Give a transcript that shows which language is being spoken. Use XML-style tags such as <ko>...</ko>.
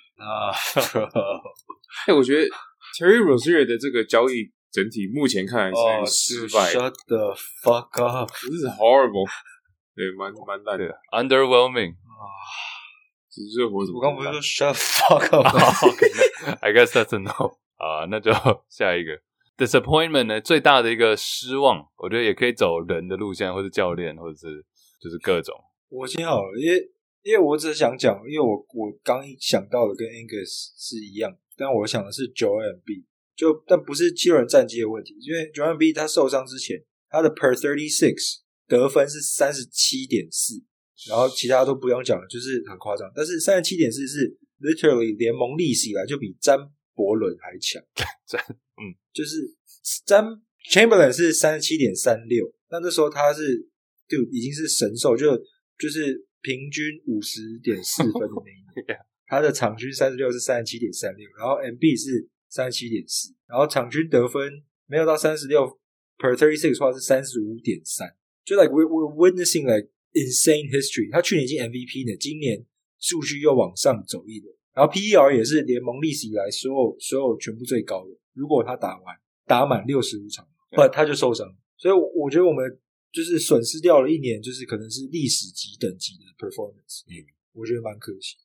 <zh>啊、欸，我觉得 Terry Rozier 的这个交易整体目前看来是很失败。</zh> <en>Oh, shut the fuck up. This is horrible.</en> <zh>对，蛮烂的</zh> <en>，underwhelming</en> <zh>啊！只是热火怎么？我刚不是说</zh> <en>shut fuck up</en> <zh>吗、</zh> <en>okay, ？I guess that's a no</en> <zh>啊，那就下一个</zh> <en>disappointment 呢？</en> <zh>最大的一个失望，我觉得也可以走人的路线，或是教练，或者是就是各种。我先好了，因为我只想讲，因为我刚一想到的跟 Angus 是一样，但我想的是 Joel Embiid， 就但不是七人战绩的问题，因为 Joel Embiid 他受伤之前，他的 per 36。得分是 37.4, 然后其他都不用讲了，就是很夸张。但是 37.4 是 literally 联盟历史以来就比詹伯伦还强。就是Chamberlain 是 37.36, 那时候他是就已经是神兽，就是平均 50.4 分的那一年。他的场均36是 37.36, 然后 MB 是 37.4, 然后场均得分没有到 36, per 36的话是 35.3。</zh> <en>就 like we're witnessing like insane history.</en> <zh>他去年已经 MVP 了，今年数据又往上走一点，然后 PER 也是联盟历史以来所有全部最高的。如果他打满65场，不他就受伤。所以我觉得我们就是损失掉了一年，就是可能是历史级等级的 performance。我觉得蛮可惜。</zh>